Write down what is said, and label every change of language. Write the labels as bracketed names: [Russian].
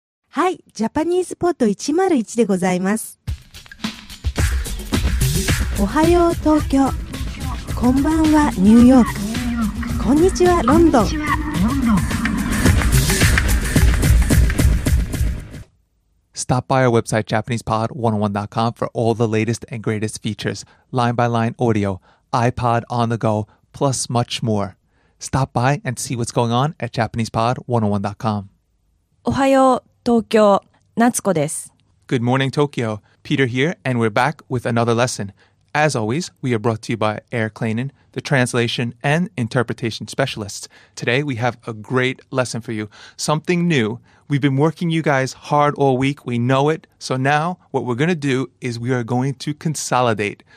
[Japanese] はい、ジャパニーズポート101でございます。おはよう東京、こんばんはニューヨーク、こんにちはロンドン。 [English] Stop by our website JapanesePod101.com for all the latest and greatest features, line-by-line audio, iPod on the go, plus much more. Stop by and see what's going on at JapanesePod101.com. [Japanese] おはよう、東京、夏子です。 [English] Good morning, Tokyo. Peter here, and we're back with another lesson. As always, we are brought to you by Air Klainen, the translation and interpretation specialists. Today, we have a great lesson for you, something new. We've been working you guys hard all week. We know it. So now what we're going to do is we are going to consolidate.